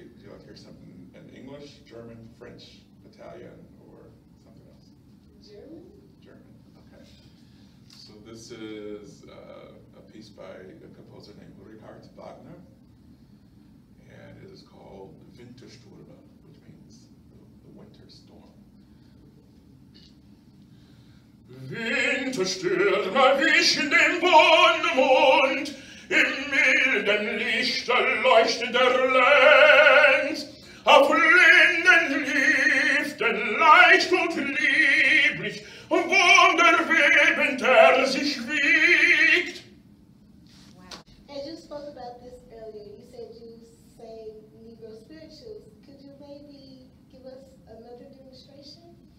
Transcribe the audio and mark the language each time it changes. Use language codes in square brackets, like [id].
[en] Do you like to hear something in English, German, French, Italian, or something else? German. Okay. So this is a piece by a composer named Richard Wagner, and it is called Wintersturm, which means the winter storm. [de] Winterstürme wischen den bunten Mond, im milden Lichte leuchtet der Lenz. Auf Lindenliften leicht und lieblich, wunderwebend er sich wiegt. [en] Wow. I just spoke about this earlier. You said you sang Negro spirituals. Could you maybe give us another demonstration?